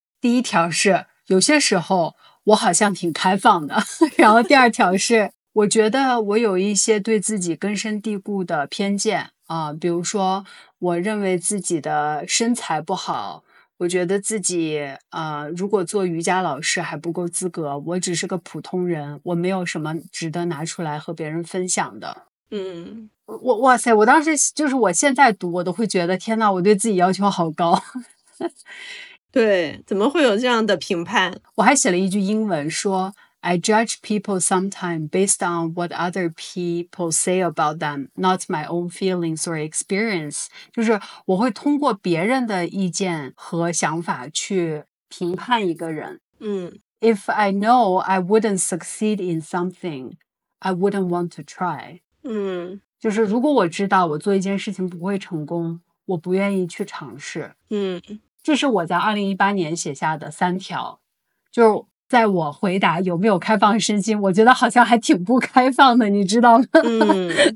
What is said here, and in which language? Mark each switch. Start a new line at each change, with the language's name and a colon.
Chinese: 第一条是有些时候我好像挺开放的，然后第二条是我觉得我有一些对自己根深蒂固的偏见啊、比如说我认为自己的身材不好，我觉得自己如果做瑜伽老师还不够资格，我只是个普通人，我没有什么值得拿出来和别人分享的。嗯，我哇塞，我当时就是我现在读我都会觉得天哪，我对自己要求好高。对，怎么会有这样的评判？我还写了一句英文说
English: I judge people sometimes based on what other people say about them, not my own feelings or experience.
Chinese: 就是我会通过别人的意见和想法去评判一个人。嗯，
English: If I know I wouldn't succeed in something, I wouldn't want to try.
Chinese: 嗯，就是如果我知道我做一件事情不会成功，我不愿意去尝试。嗯，这是我在2018年写下的三条，就在我回答有没有开放身心，我觉得好像还挺不开放的，你知道吗？嗯，